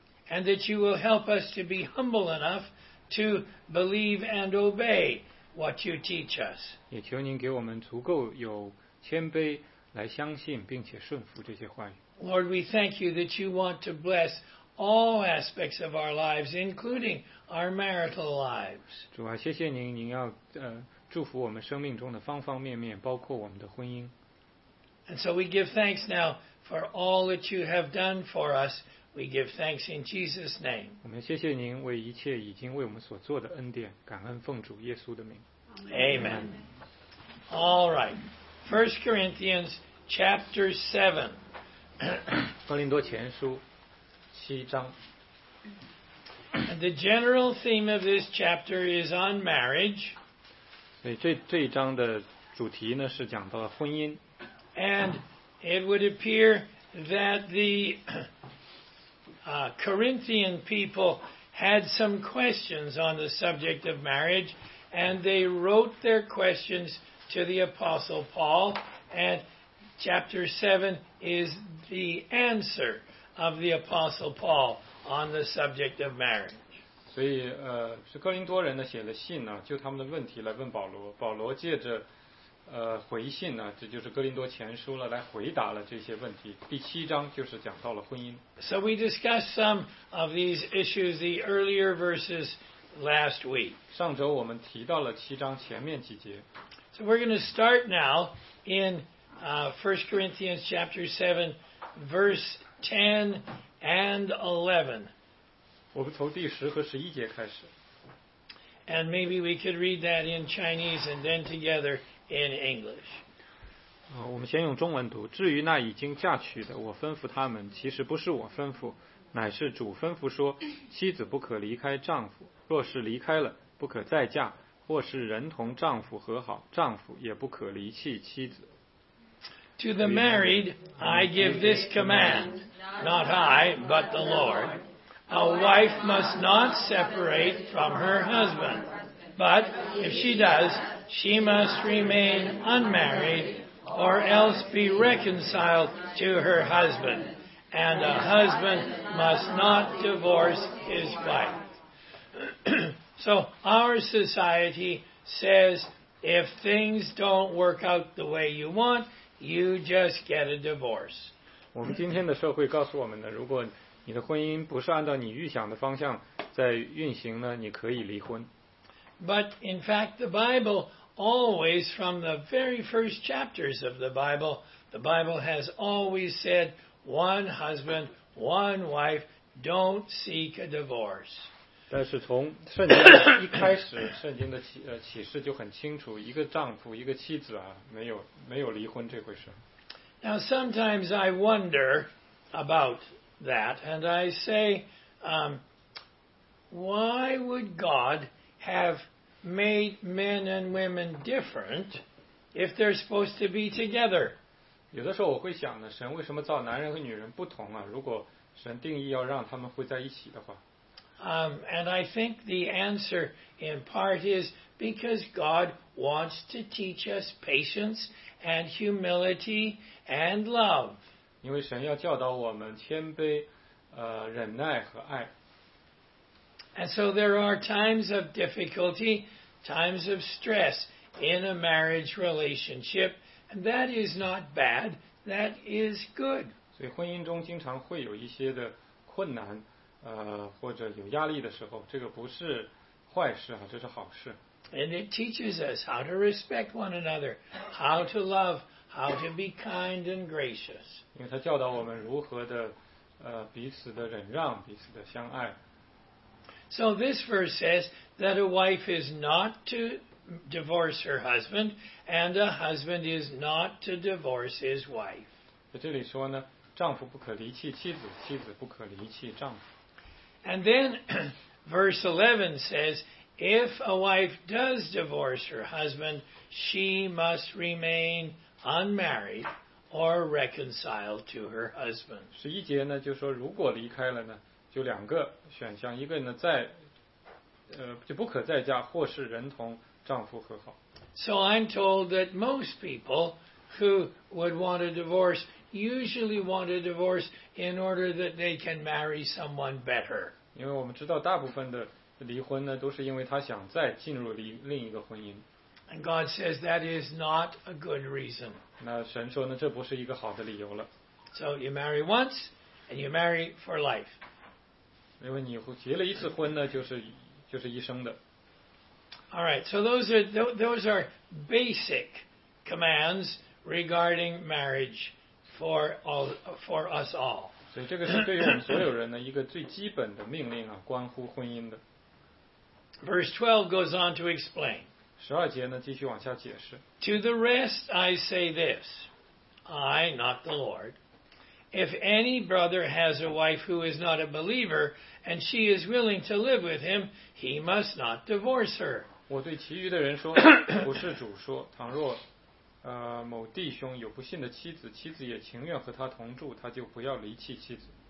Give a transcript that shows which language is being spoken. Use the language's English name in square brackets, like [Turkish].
[English] And that you will help us to be humble enough to believe and obey what you teach us. [Chinese] 也求您给我们足够有谦卑来相信并且顺服这些话语。 [English] Lord, we thank you that you want to bless all aspects of our lives, including our marital lives. [Chinese] 主啊，谢谢您，您要祝福我们生命中的方方面面，包括我们的婚姻。 [English] And so we give thanks now for all that you have done for us. We give thanks in Jesus' name. [Chinese] 我们谢谢您为一切已经为我们所做的恩典，感恩奉主耶稣的名。 [English] Amen. All right. 1 Corinthians chapter 7. [Chinese] 哥林多前书七章。 [English] And the general theme of this chapter is on marriage. [Chinese] 所以这一章的主题呢是讲到婚姻。 [English] And it would appear that the Corinthian people had some questions on the subject of marriage, and they wrote their questions to the Apostle Paul, and chapter 7 is the answer of the Apostle Paul on the subject of marriage. [Chinese] 所以是哥林多人呢写了信呢，就他们的问题来问保罗，保罗借着回信呢，这就是哥林多前书了，来回答了这些问题。第七章就是讲到了婚姻。 [English] So we discussed some of these issues the earlier verses last week. [Chinese] 上周我们提到了七章前面几节。 [English] So we're going to start now in 1 Corinthians chapter 7, verse 10 and 11. [Chinese] 我们从第十和十一节开始。 [English] And maybe we could read that in Chinese and then together. In English. [Chinese] 我们先用中文读。至于那已经嫁娶的，我吩咐他们，其实不是我吩咐，乃是主吩咐说，妻子不可离开丈夫，若是离开了，不可再嫁，或是人同丈夫和好，丈夫也不可离弃妻子。 [English] To the married, I give this command, not I, but the Lord. A wife must not separate from her husband, but if she does,She must remain unmarried or else be reconciled to her husband. And a husband must not divorce his wife. So our society says if things don't work out the way you want, you just get a divorce. [Chinese] 我们今天的社会告诉我们呢，如果你的婚姻不是按照你预想的方向在运行呢，你可以离婚。 [English] But in fact, the Bible... Always, from the very first chapters of the Bible has always said, one husband, one wife, don't seek a divorce. [Chinese] 但是从圣经的一开始，圣经的启示就很清楚，一个丈夫一个妻子啊，没有离婚这回事。 [English] Now sometimes I wonder about that, and I say, why would God have made men and women different if they're supposed to be together? [Chinese] 有的时候我会想呢，神为什么造男人和女人不同啊？如果神定义要让他们会在一起的话。 [English] And I think the answer in part is because God wants to teach us patience and humility and love. [Chinese] 因为神要教导我们谦卑、忍耐和爱。 [English] And so there are times of difficulty, times of stress in a marriage relationship, and that is not bad, that is good. [Chinese] 所以婚姻中经常会有一些的困难。或者有压力的时候，这个不是坏事啊，这是好事。 [English] And it teaches us how to respect one another, how to love, how to be kind and gracious. [Chinese] 因为它教导我们如何的彼此的忍让，彼此的相爱。 [English] So this verse says that a wife is not to divorce her husband, and a husband is not to divorce his wife. [Chinese] 在这里说呢，丈夫不可离弃妻子，妻子不可离弃丈夫。 [English] And then verse 11 says, if a wife does divorce her husband, she must remain unmarried or reconciled to her husband. [Chinese] 十一节呢，就说如果离开了呢，就两个选项，一个呢再，就不可再嫁，或是人同丈夫和好。 [English] So I'm told that most people who would want a divorce usually want a divorce in order that they can marry someone better. [Chinese] 因为我们知道大部分的离婚呢，都是因为他想再进入另一个婚姻。 [English] And God says that is not a good reason. [Chinese] 那神说呢，这不是一个好的理由了。 [English] So you marry once and you marry for life. [Chinese] 因为你结了一次婚呢，就是一生的。 [English] All right, so those are basic commands regarding marriage. For us all. [Chinese] 所以这个是对于我们所有人的一个最基本的命令啊，关乎婚姻的。 [English] Verse 12 goes on to explain. [Chinese] 十二节呢，继续往下解释。 [English] To the rest I say this, I, not the Lord, if any brother has a wife who is not a believer, and she is willing to live with him, he must not divorce her. [Chinese] 我对其余的人说，不是主说，倘若某弟兄有不幸的妻子，妻子也情愿和他同住，他就不要离弃妻子。